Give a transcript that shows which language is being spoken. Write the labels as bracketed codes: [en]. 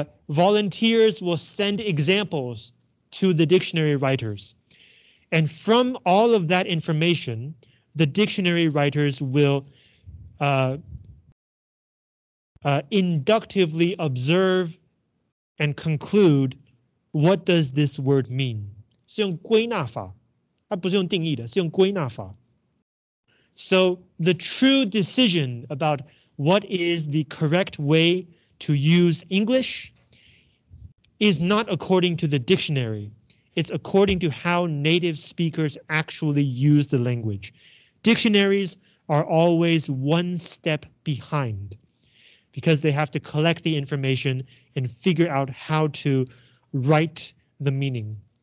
[en] Volunteers will send examples to the dictionary writers. And from all of that information, the dictionary writers will inductively observe and conclude what does this word mean. [zh] 是用归纳法，它不是用定义的，是用归纳法。 [en] So the true decision about what is the correct way to use English is not according to the dictionary. It's according to how native speakers actually use the language. Dictionaries are always one step behind because they have to collect the information and figure out how to write the meaning.